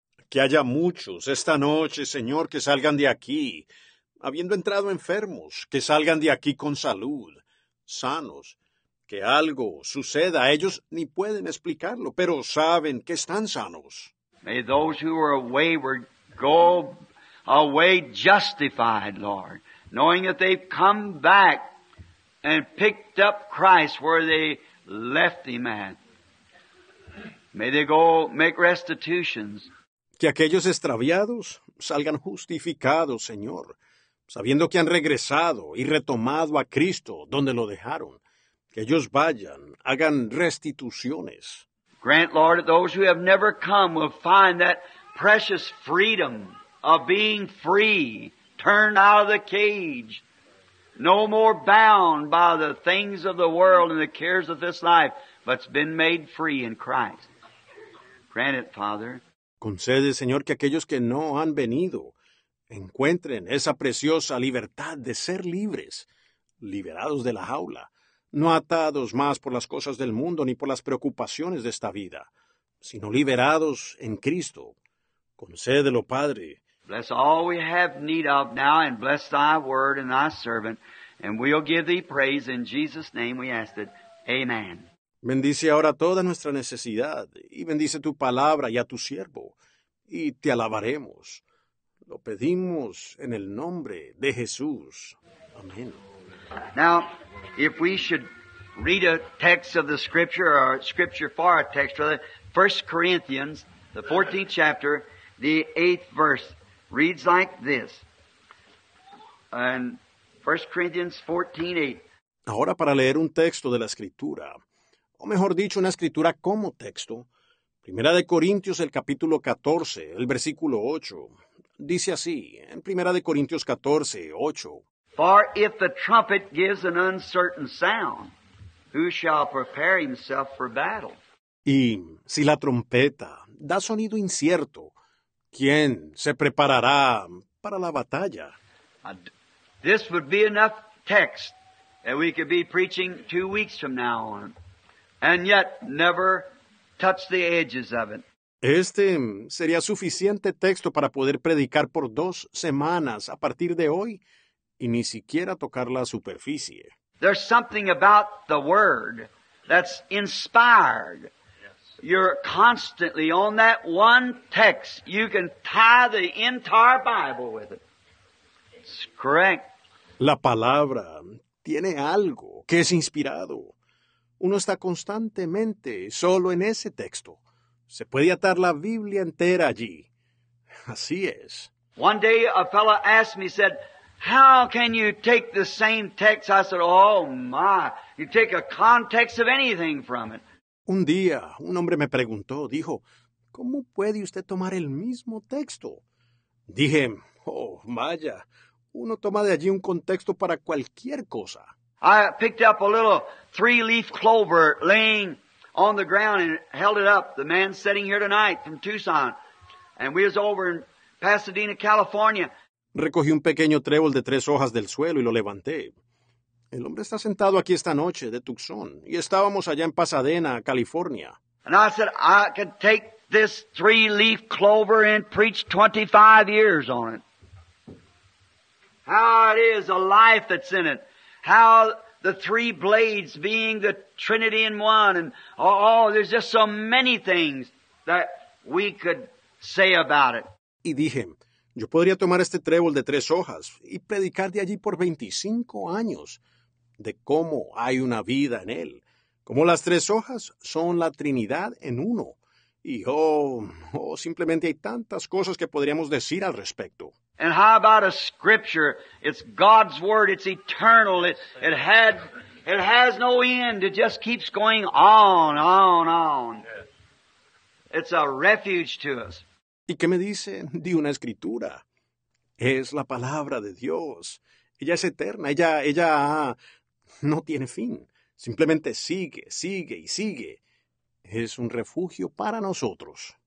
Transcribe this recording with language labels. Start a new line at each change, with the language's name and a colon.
Spanish: Que haya muchos esta noche, Señor, que salgan de aquí, habiendo entrado enfermos, que salgan de aquí con salud, sanos. Que algo suceda. Ellos ni pueden explicarlo, pero saben que están sanos.
English: May those who are wayward go away justified, Lord, knowing that they've come back and picked up Christ where they left Him at. May they go make restitutions.
Spanish: Que aquellos extraviados salgan justificados, Señor, sabiendo que han regresado y retomado a Cristo donde lo dejaron. Que ellos vayan, hagan restituciones.
English: Grant, Lord, that those who have never come will find that precious freedom of being free, turned out of the cage, no more bound by the things of the world and the cares of this life, but's been made free in Christ. Grant it, Father.
Spanish: Concede, Señor, que aquellos que no han venido encuentren esa preciosa libertad de ser libres, liberados de la jaula. No atados más por las cosas del mundo ni por las preocupaciones de esta vida, sino liberados en Cristo. Concédelo, Padre.
English: Bless all we have need of now, and bless thy word and thy servant, and we'll give thee praise in Jesus' name we ask it. Amen.
Spanish: Bendice ahora toda nuestra necesidad, y bendice tu palabra y a tu siervo, y te alabaremos. Lo pedimos en el nombre de Jesús. Amén.
English: Now, if we should read a text of the Scripture, or Scripture for a text, rather, 1 Corinthians, the 14th chapter, the 8th verse, reads like this. And 1 Corinthians 14:8.
Spanish: Ahora, para leer un texto de la Escritura, o mejor dicho, una Escritura como texto, 1 Corintios, el capítulo 14, el versículo 8, dice así, en 1 Corintios 14, 8.
English: For if the trumpet gives an uncertain sound, who shall prepare himself for battle?
Spanish: Y si la trompeta da sonido incierto, ¿quién se preparará para la batalla?
English: This would be enough text that we could be preaching 2 weeks from now on, and yet never touch the edges of it.
Spanish: Este sería suficiente texto para poder predicar por 2 semanas a partir de hoy, y ni siquiera tocar la superficie.
English: There's something about the Word that's inspired. Yes. You're constantly on that one text. You can tie the entire Bible with it. It's correct.
Spanish: La palabra tiene algo que es inspirado. Uno está constantemente solo en ese texto. Se puede atar la Biblia entera allí. Así es.
English: One day a fellow asked me, said, how can you take the same text? I said, oh my, you take a context of anything from it.
Spanish: Un día, un hombre me preguntó, dijo, ¿cómo puede usted tomar el mismo texto? Dije, oh, vaya, uno toma de allí un contexto para cualquier cosa.
English: I picked up a little three-leaf clover laying on the ground and held it up. The man sitting here tonight from Tucson, and we was over in Pasadena, California.
Spanish: Recogí un pequeño trébol de 3 hojas del suelo y lo levanté. El hombre está sentado aquí esta noche, de Tucson, y estábamos allá en Pasadena, California.
English: And I said, I could take this three-leaf clover and preached 25 years on it. How it is, the life that's in it. How the three blades being the Trinity in one. And oh, there's just so many things that we could say about it.
Spanish: Y dije, yo podría tomar este trébol de tres hojas y predicar de allí por 25 años de cómo hay una vida en él. Como las tres hojas son la Trinidad en uno. Y oh, simplemente hay tantas cosas que podríamos decir al respecto.
English: And how about a scripture? It's God's word. It's eternal. It has no end. It just keeps going on, on, on. It's a refuge to us.
Spanish: ¿Y qué me dice de una escritura? Es la palabra de Dios. Ella es eterna. Ella no tiene fin. Simplemente sigue, sigue y sigue. Es un refugio para nosotros.